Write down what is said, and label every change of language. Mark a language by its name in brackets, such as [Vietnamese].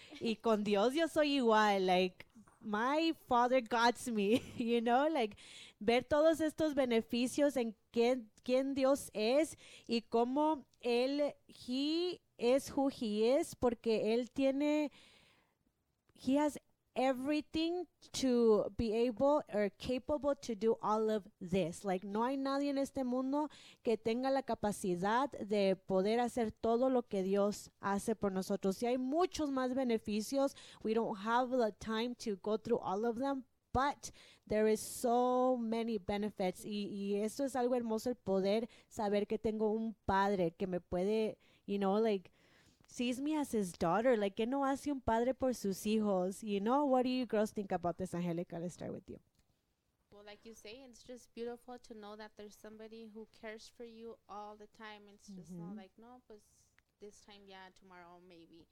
[Spanish] Y con Dios yo soy igual, [English] like, my father gots me, you know, like, [Spanish] ver todos estos beneficios en quién Dios es y cómo Él, [English] He is who He is, [Spanish] porque Él tiene, [English] He has everything to be able or capable to do all of this. [Spanish] Like, no hay nadie en este mundo que tenga la capacidad de poder hacer todo lo que Dios hace por nosotros. Y hay muchos más beneficios. [English] We don't have the time to go through all of them, but there is so many benefits. [Spanish] Y eso es algo hermoso, el poder saber que tengo un padre que me puede, you know, like, [English] sees me as his daughter. [Spanish] Like, ¿qué no hace un padre por sus hijos? [English] You know, what do you girls think about this, Angelica? Let's start with you. Well, like you say, it's just beautiful to know that there's somebody who cares for you all the time. It's just not like, [Spanish] no, pues, [English] this time, yeah, tomorrow, maybe.